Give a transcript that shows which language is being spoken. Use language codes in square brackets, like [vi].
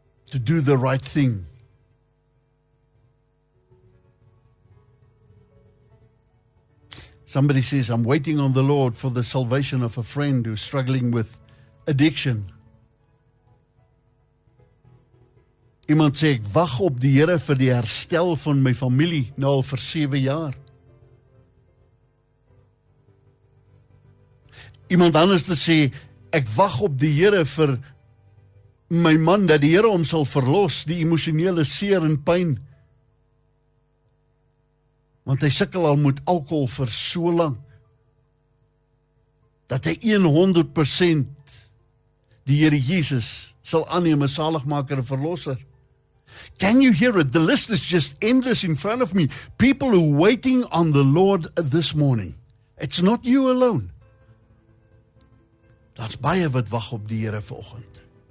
[en] To do the right thing. Somebody says, I'm waiting on the Lord for the salvation of a friend who's struggling with addiction. [af] Iemand sê, ek wag op die Here vir die herstel van my familie nou al vir 7 jaar. Iemand anders sê, ek wag op die Here vir my man dat die Here hom sal verlos die emosionele seer en pyn. Want hy sukkel al met alkohol vir so lank, dat hy 100% die Here Jesus sal aanneem as saligmaker en verlosser. [en] Can you hear it? The list is just endless in front of me. People who are waiting on the Lord this morning. It's not you alone. [af] Daar's baie wat wag op die Here vanoggend.